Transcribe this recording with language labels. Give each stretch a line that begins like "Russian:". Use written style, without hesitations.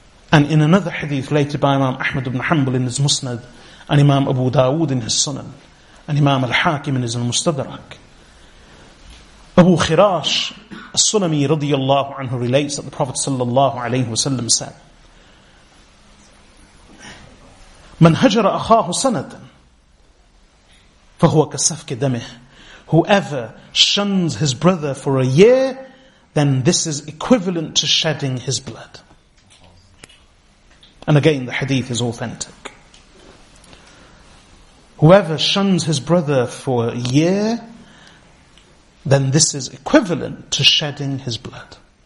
English: And in another hadith related by Imam Ahmad ibn Hanbal in his Musnad, and Imam Abu Dawood in his Sunan, and Imam al-Hakim in his Mustadrak, Abu Khirash al-Sulami radiyallahu anhu relates that the Prophet sallallahu alayhi wa sallam said,
Arabic: من هجر أخاه سنة فهو كسفك دمه.
English: Whoever shuns his brother for a year, then this is equivalent to shedding his blood. And again, the hadith is authentic. Whoever shuns his brother for a year, then this is equivalent to shedding his blood.